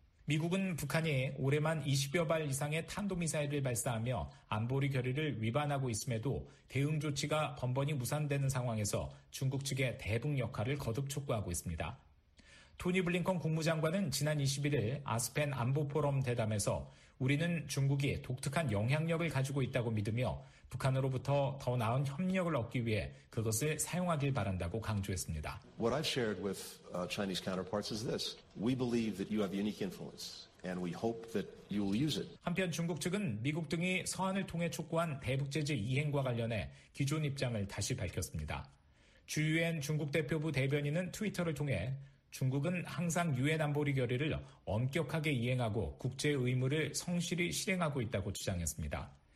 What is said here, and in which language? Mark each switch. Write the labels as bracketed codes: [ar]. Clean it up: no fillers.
[ko] 미국은 북한이 올해만 20여 발 이상의 탄도미사일을 발사하며 안보리 결의를 위반하고 있음에도 대응 조치가 번번이 무산되는 상황에서 중국 측의 대북 역할을 거듭 촉구하고 있습니다. 토니 블링컨 국무장관은 지난 21일 아스펜 안보 포럼 대담에서 우리는 중국이 독특한 영향력을 가지고 있다고 믿으며 북한으로부터 더 나은 협력을 얻기 위해 그것을 사용하길 바란다고 강조했습니다. [en] What I've shared with Chinese counterparts is this. We believe that you have unique influence and we hope that you will use it. [ko] 한편 중국 측은 미국 등이 서한을 통해 촉구한 대북 제재 이행과 관련해 기존 입장을 다시 밝혔습니다. 주 유엔 중국 대표부 대변인은 트위터를 통해 중국은 항상 유엔 안보리 결의를 엄격하게 이행하고 국제 의무를 성실히 실행하고 있다고 주장했습니다.